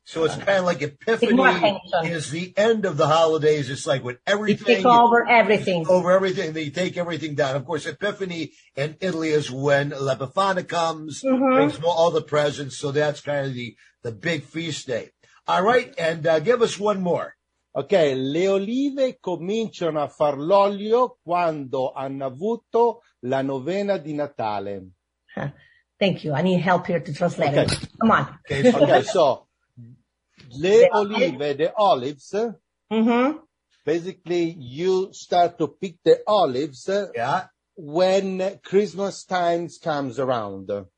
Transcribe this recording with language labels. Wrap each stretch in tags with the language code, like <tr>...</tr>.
<en>So it's kind of like Epiphany is the end of the holidays. It's like when everything. You take over everything. Over everything. They take everything down. Of course, Epiphany in Italy is when L'Epifania comes, brings all the presents. So that's kind of the big feast day. All right. And give us one more. Okay.</en> <it>Le olive cominciano a far l'olio quando hanno avuto la novena di Natale.</it> <en>Thank you. I need help here to translate. Okay. Come on. Okay, so the olives, basically you start to pick the olives when Christmas time comes around.</en>